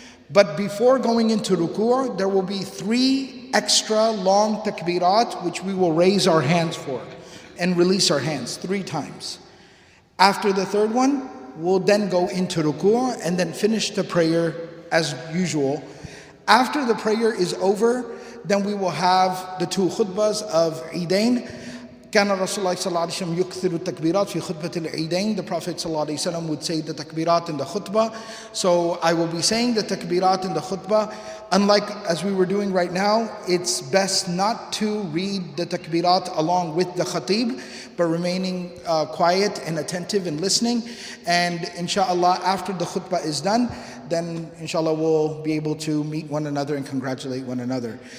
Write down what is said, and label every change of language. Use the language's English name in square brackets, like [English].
[English] But before going into ruku', there will be three extra long takbirat, which we will raise our hands for and release our hands three times. After the third one, we'll then go into ruku' and then finish the prayer as usual. After the prayer is over, then we will have the two khutbas of Eidain. [Arabic] كَانَ رَسُولَ اللَّهِ صَلَّى اللَّهُ عَلَيْهِ وَسَلَّمْ يُكْثِرُ التَّكْبِيرَاتِ فِي خُطْبَةِ الْعِيدَيْنِ. [English] The Prophet ﷺ would say the takbirat in the khutbah. So I will be saying the takbirat in the khutbah. Unlike as we were doing right now, it's best not to read the takbirat along with the khatib, but remaining quiet and attentive and listening. And inshallah, after the khutbah is done, then inshallah we'll be able to meet one another and congratulate one another.